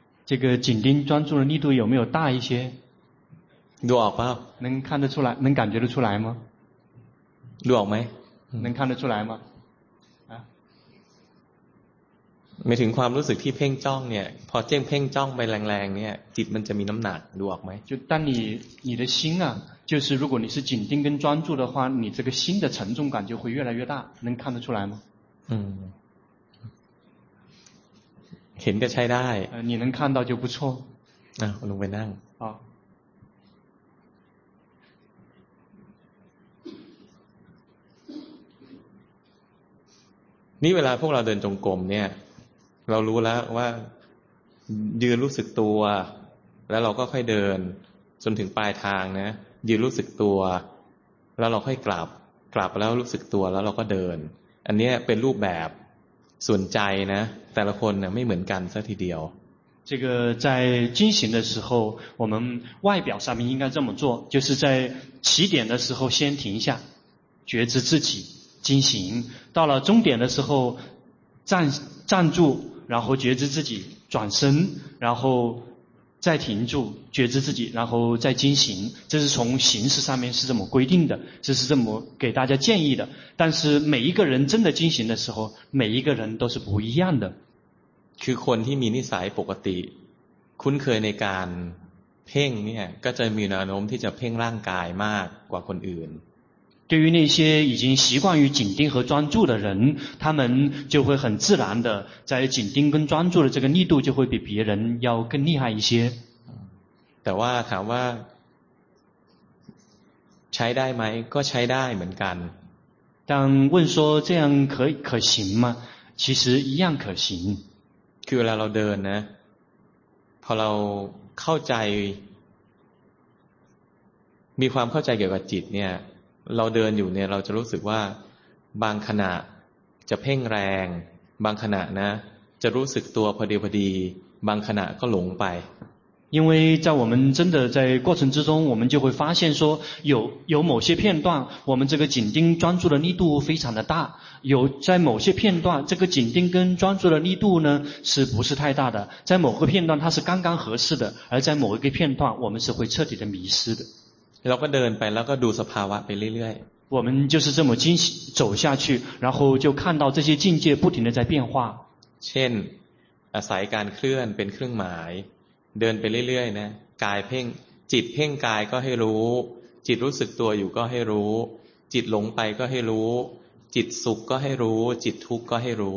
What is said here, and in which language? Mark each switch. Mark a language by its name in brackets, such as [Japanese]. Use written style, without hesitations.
[Chinese] 这个紧盯专注的力度有没有大一些 [Thai] ดูออกป่ะ [Chinese] 能看得出来能感觉得出来吗 [Thai] ดูออกไหม [Chinese] 能看得出来吗 [Thai] 啊ไม่ถึงความรู้สึกที่เพ่งจ้องเนี่ยพอเจ้งเพ่งจ้องไปแรงๆเนี่ยจิตมันจะมีน้ำหนักดูออกไหม [Chinese] 就当你的心啊就是如果你是紧盯跟专注的话你这个心的沉重感就会越来越大能看得出来吗 [Thai] เห็นก็ใช้ได้ [Chinese] 你能看到就不错 [Thai] ลงไปนั่งนี่เวลาพวกเราเดินจงกรมเนี่ยเรารู้แล้วว่ายืนรู้สึกตัวแล้วเราก็ค่อยเดินจนถึงปลายทางนะยืนรู้สึกตัวแล้วเราค่อยกลับแล้วรู้สึกตัวแล้วเราก็เดินอันนี้เป็นรูปแบบส่วนใจนะแต่ละคนเนี่ยไม่เหมือนกันซะทีเดียว [Chinese] 这个在进行的时候我们外表上面应该这么做就是在起点的时候先停下觉知自己进行到了终点的时候站住然后觉知自己转身然后再停住觉知自己然后再进行这是从形式上面是这么规定的这是这么给大家建议的但是每一个人真的进行的时候每一个人都是不一样的 [Thai] คือคนที่มีนิสัยปกติคุ้นเคยในการเพ่งเนี่ยก็จะมีแนวโน้มที่จะเพ่งร่างกายมากกว่าคนอื่น [Chinese] 对于那些已经习惯于紧盯和专注的人他们就会很自然的在紧盯跟专注的这个力度就会比别人要更厉害一些 [Thai] แต่ว่าถามว่าใช้ได้ไหมก็ใช้ได้เหมือนกัน [Chinese] 但问说这样可行吗其实一样可行 [Thai] คือเวลาเราเดินนะพอเราเข้าใจมีความเข้าใจเกี่ยวกับจิตเนี่ย เราเดินอยู่เนี่ยเราจะรู้สึกว่าบางขณะจะเพ่งแรงบางขณะนะจะรู้สึกตัวพอดีพอดีบางขณะก็หลงไป [Chinese] 因为在我们真的在过程之中，我们就会发现说，有某些片段，我们这个紧盯专注的力度非常的大，有在某些片段，这个紧盯跟专注的力度呢，是不是太大的？在某个片段它是刚刚合适的，而在某一个片段，我们是会彻底的迷失的。 [Thai] เราก็เดินไปแล้วก็ดูสภาวะไปเรื่อย [Chinese] 我们就是这么进走下去，然后就看到这些境界不停的在变化。 [Thai] เช่นอาศัยการเคลื่อนเป็นเครื่องหมายเดินไปเรื่อยๆนะกายเพ่งจิตเพ่งกายก็ให้รู้จิตรู้สึกตัวอยู่ก็ให้รู้จิตหลงไปก็ให้รู้จิตสุขก็ให้รู้จิตทุกข์ก็ให้รู